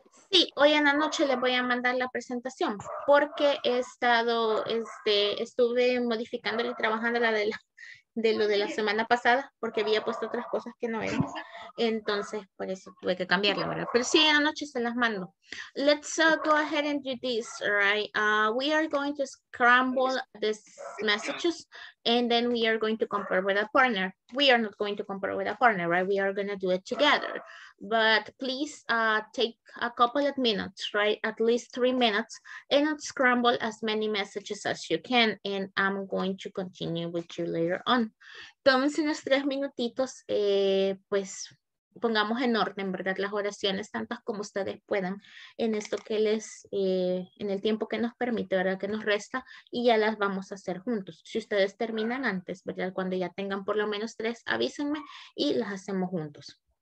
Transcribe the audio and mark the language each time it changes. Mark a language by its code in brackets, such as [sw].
[es] Sí, hoy en la noche les voy a mandar la presentación porque he estado, estuve modificándola y trabajándola de la semana pasada porque había puesto otras cosas que no eran. Entonces, por eso tuve que cambiarla, ¿verdad? Pero sí, en la noche se las mando. [en] Let's go ahead and do this, right? We are going to scramble these messages and then we are going to compare with a partner. We are not going to compare with a partner, right? We are going to do it together. But please take a couple of minutes, right? At least 3 minutes and scramble as many messages as you can. And I'm going to continue with you later on. [es] Tómense unos 3 minutitos, pues pongamos en orden, ¿verdad? Las oraciones, tantas como ustedes puedan, en esto que les, en el tiempo que nos permite, ¿verdad? Que nos resta, y ya las vamos a hacer juntos. Si ustedes terminan antes, ¿verdad? Cuando ya tengan por lo menos 3, avísenme y las hacemos juntos.